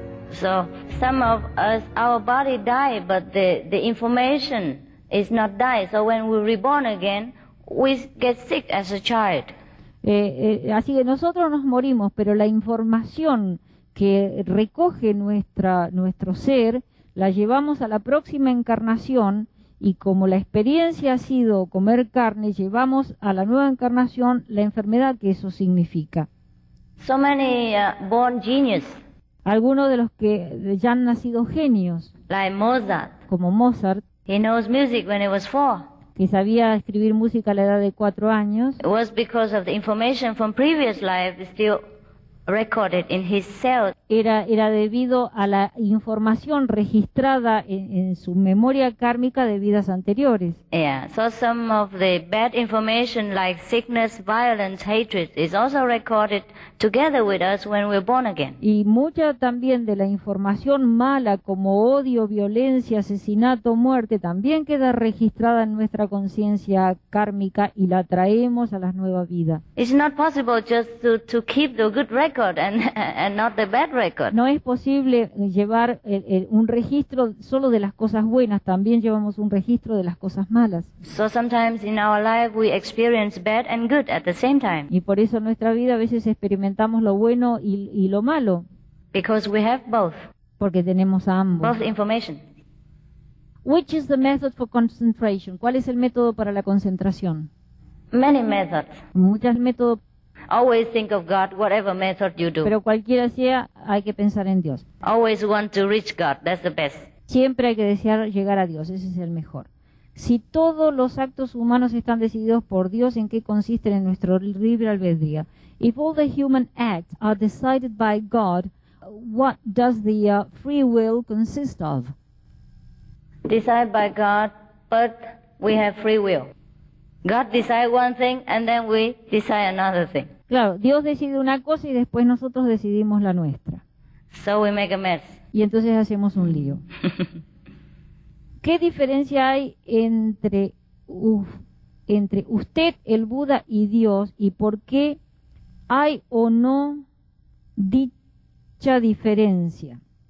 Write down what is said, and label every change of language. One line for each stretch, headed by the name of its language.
English: So some of us, our body die, but the information is not die. So when we reborn again, we get sick as a child.
Spanish: Así que nosotros nos morimos, pero la información que recoge nuestro ser la llevamos a la próxima encarnación, y como la experiencia ha sido comer carne, llevamos a la nueva encarnación la enfermedad que eso significa.
English: So many born genius.
Spanish: Algunos de los que ya han nacido genios,
English: like Mozart.
Spanish: Como Mozart,
English: he knows music when he was four.
Spanish: Que sabía escribir música a la edad de 4 años.
English: It was because of the information from previous life still recorded in his cell.
Spanish: Era debido a la información registrada en su memoria kármica de vidas anteriores.
English: Yeah, so some of the bad information like sickness, violence, hatred is also recorded together with us when we're born again.
Spanish: Y mucha también de la información mala como odio, violencia, asesinato, muerte también queda registrada en nuestra conciencia kármica y la traemos a la nueva vida.
English: It's not possible just to keep the good record and not the bad record.
Spanish: No es posible llevar un registro solo de las cosas buenas, también llevamos un registro de las cosas malas.
English: So sometimes in our life we experience bad and good at the same time.
Spanish: Y por eso en nuestra vida a veces experimentamos lo bueno y lo malo.
English: Because we have both.
Spanish: Porque tenemos ambos.
English: Both information. Which is the method for concentration?
Spanish: ¿Cuál es el método para la concentración?
English: Many methods.
Spanish: Muchos métodos.
English: Always think of God, whatever method you do.
Spanish: Pero cualquiera sea, hay que pensar en Dios.
English: Always want to reach God, that's the best.
Spanish: Siempre hay que desear llegar a Dios, ese es el mejor. Si todos los actos humanos están decididos por Dios, ¿en qué consiste en nuestro libre albedrío?
English: If all the human acts are decided by God, what does the free will consist of? Decided by God, but we have free will. God decides one thing and then we decide another thing.
Spanish: Claro, Dios decide una cosa y después nosotros decidimos la nuestra.
English: So we make a mess.
Spanish: Y entonces hacemos un lío. ¿Qué diferencia hay entre usted, el Buda y Dios, y por qué hay o no dicha diferencia?